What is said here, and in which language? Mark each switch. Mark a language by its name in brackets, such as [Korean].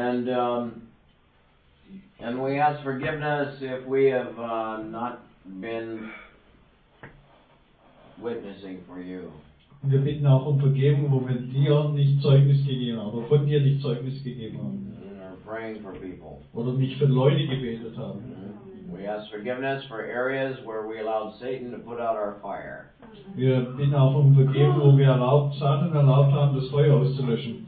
[English] And we ask forgiveness if we have not been witnessing for you. [German] Wir bitten auch um Vergebung, wo wir dir nicht Zeugnis gegeben haben, von dir nicht Zeugnis gegeben haben. [English] And are praying for people. [German] Oder nicht für Leute gebetet haben. [English] We ask forgiveness for areas where we allowed Satan to put out our fire. [German] Wir bitten auch um Vergebung, wo wir Satan erlaubt haben, das Feuer auszulöschen.